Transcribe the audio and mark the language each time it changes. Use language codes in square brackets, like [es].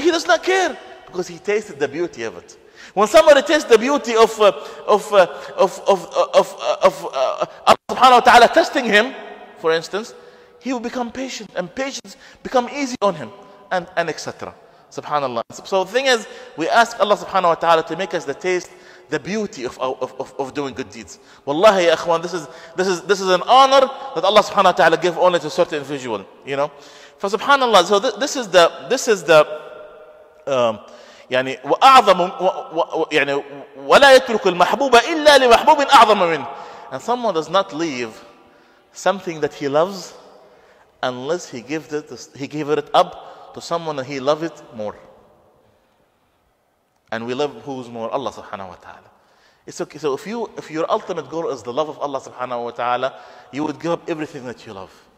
[en] He does not care, because he tasted the beauty of it. When somebody tastes the beauty of Allah subhanahu wa ta'ala testing him, for instance, he will become patient, and patience become easy on him, and etc. Subhanallah. So the thing is, we ask Allah subhanahu wa ta'ala to make us the taste, the beauty of doing good deeds. Wallahi, ya akhwan, this is an honor that Allah subhanahu wa ta'ala gave only to certain individual, you know. For subhanallah, so [ar] يعني وأعظم يعني ولا يترك المحبوب إلا لمحبوب أعظم منه. [en] And someone does not leave something that he loves unless he gives it up to someone that he loves it more. And we love who's more? Allah subhanahu wa ta'ala. It's okay. So if your ultimate goal is the love of Allah subhanahu wa ta'ala, you would give up everything that you love.